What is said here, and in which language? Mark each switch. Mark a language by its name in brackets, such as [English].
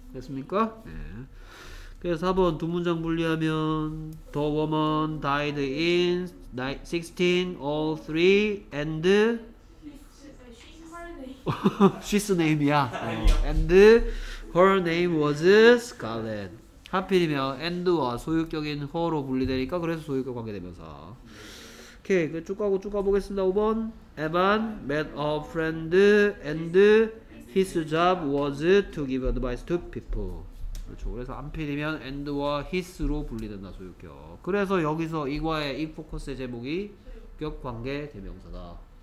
[Korean] 됐습니까? 네. 그래서 4번 두 문장 분리하면 [English] The woman died in 1603 and She's name이야. 어. And her name was Scarlett. [Korean] 하필이면 and와 소유격인 her로 분리되니까 그래서 소유격 관계되면서. 오케이. 그 쭉 가고 쭉 가보겠습니다. 5번 [English] Evan met a friend and his job was to give advice to people. [Korean] 그렇죠. 그래서 하필이면 and와 his로 분리된다. 소유격. 그래서 여기서 이과의 이 포커스의 제목이 소유격 관계 대명사다.